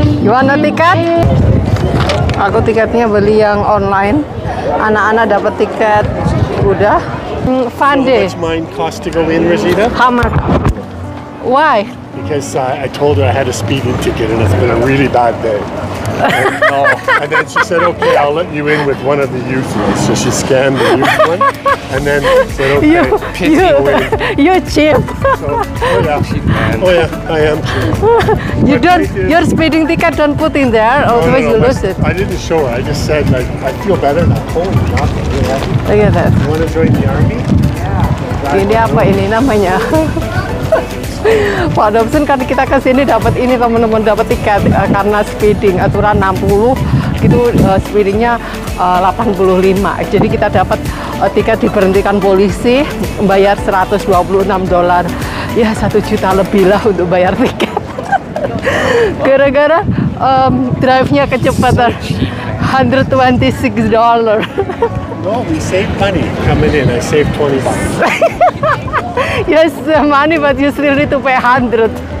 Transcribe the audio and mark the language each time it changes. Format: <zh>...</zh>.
<id>Mana tiket? Aku tiketnya beli yang online. Anak-anak dapat tiket udah.</id> <en>Fun day. How much mine cost to go in, Rosita? How much? Why? Because I told her I had a speeding ticket and it's been a really bad day. And then she said, okay, I'll let you in with one of the youth ones. So she scanned the youth one. And then she said, okay, pity you. You're cheap. Oh, yeah, I am cheap. You don't, your speeding ticket don't put in there, otherwise no, you lose it. I didn't show her. I just said, like, I feel better now. Holy God, I'm really happy. Look at that. You want to join the army?</en> <id>Yeah. Ini apa ini namanya? Pak Dobson, kan kita kesini dapat ini teman-teman, dapat tiket karena speeding aturan 60 gitu, speedingnya 85, jadi kita dapat tiket diberhentikan polisi, bayar $126, ya 1 juta lebih lah untuk bayar tiket gara-gara drive-nya kecepatan $126.</id> <en>No, we save money coming in. I save $20. Yes, money, but you still need to pay 100.</en>